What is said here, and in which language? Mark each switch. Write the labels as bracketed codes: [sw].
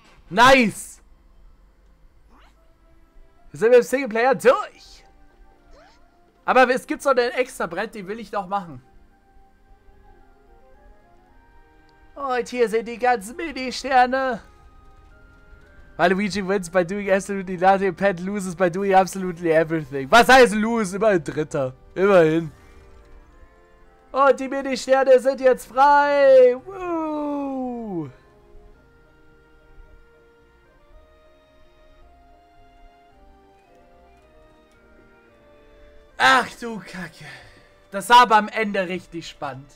[en] Nice! [de] Wir sind mit dem Singleplayer durch! Aber es gibt so ein extra Brett, den will ich doch machen. Und hier sind die ganzen Mini-Sterne. [en] Weil Luigi wins by doing absolutely nothing, Pat loses by doing absolutely everything. [de] Was heißt lose? Immerhin Dritter. Immerhin. Und die Mini-Sterne sind jetzt frei! Woo! Ach du Kacke. Das war aber am Ende richtig spannend.